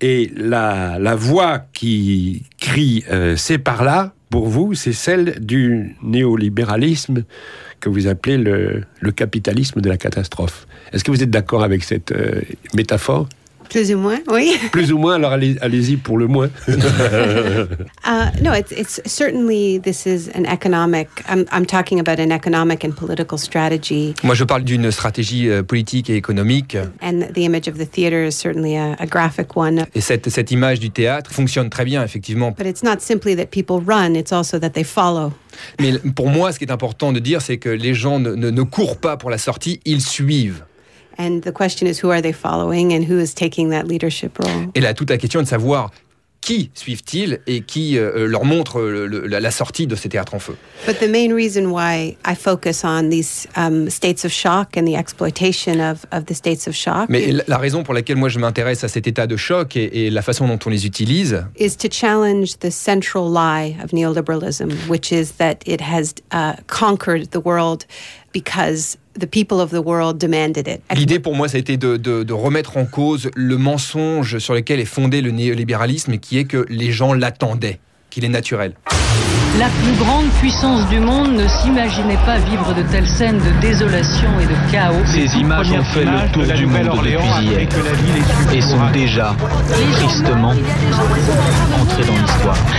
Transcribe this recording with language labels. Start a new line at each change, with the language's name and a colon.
French: Et la voix qui crie « c'est par là », pour vous, c'est celle du néolibéralisme que vous appelez le capitalisme de la catastrophe. Est-ce que vous êtes d'accord avec cette métaphore ? Plus ou moins, oui. Plus ou moins, alors allez-y pour le moins.
English: it's certainly this is an economic. I'm talking about an economic and political strategy.
French: Moi, je parle d'une stratégie politique et économique.
English: And the image of the theater is certainly a graphic one.
French: Et cette image du théâtre fonctionne très bien, effectivement.
English: But it's not simply that people run; it's also that they follow.
French: Mais pour moi, ce qui est important de dire, c'est que les gens ne courent pas pour la sortie, ils suivent.
English: And the question is, who are they following and who is taking that leadership role?
French: Et là, toute la question est de savoir qui suivent-ils et qui leur montre la sortie de ces théâtres en feu.
English: But the main reason why I focus on these states of shock and the exploitation of the states of shock.
French: Mais la raison pour laquelle moi je m'intéresse à cet état de choc et la façon dont on les utilise.
English: Is to challenge the central lie of neoliberalism, which is that it has conquered the world because the people of the world demanded it.
French: L'idée pour moi, ça a été de remettre en cause le mensonge sur lequel est fondé le néolibéralisme, qui est que les gens l'attendaient, qu'il est naturel. La plus grande puissance du monde ne s'imaginait pas vivre de telles scènes de désolation et de chaos. Ces images ont fait le tour du monde depuis hier et sont déjà, tristement, entrées dans l'histoire.